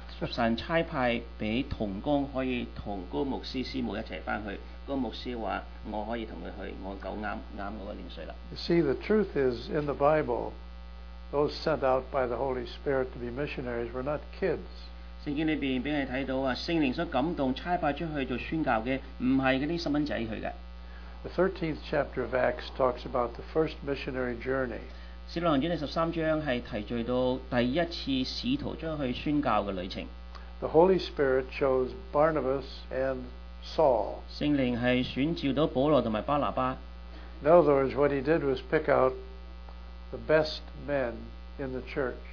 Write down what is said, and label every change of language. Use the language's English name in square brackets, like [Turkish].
[Cantonese] 神差派俾童工可以同高牧师师母一齐翻去。高牧师话：我可以同佢去，我够啱我个年岁啦。 [English] See, the truth is in the Bible, those sent out by the Holy Spirit to be missionaries were not kids. [Cantonese] 圣经里边俾你睇到啊，圣灵所感动差派出去做宣教嘅，唔系嗰啲细蚊仔去嘅。 [English] The 13th chapter of Acts talks about the first missionary journey. [Cantonese] 《使徒行傳》第十三章係提敘到第一次使徒將去宣教嘅旅程。 [English] The Holy Spirit chose Barnabas and Saul. [Cantonese] 聖靈係選召到保羅同埋巴拿巴。 [English] In other words, what he did was pick out the best men in the church.